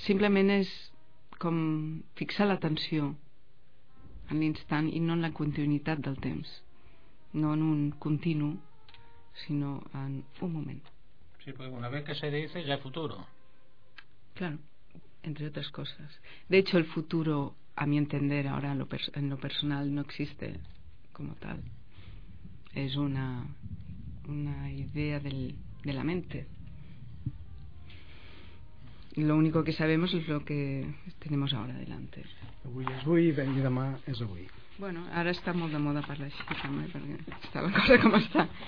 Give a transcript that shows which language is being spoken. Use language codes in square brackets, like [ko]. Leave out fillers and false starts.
[ca] Simplement és com fixar l'atenció en l'instant i no en la continuïtat del temps. No en un continu, sinó en un moment. [es] Sí, porque una vez que se dice, ya es futuro. Claro, entre otras cosas. De hecho, el futuro, a mi entender, ahora en lo personal, no existe como tal. Es una idea de la mente. Lo único que sabemos es lo que tenemos ahora delante. [ca] Avui és avui, ben i demà és avui. Bueno, ara està molt de moda parlar així, també, perquè està la cosa com està.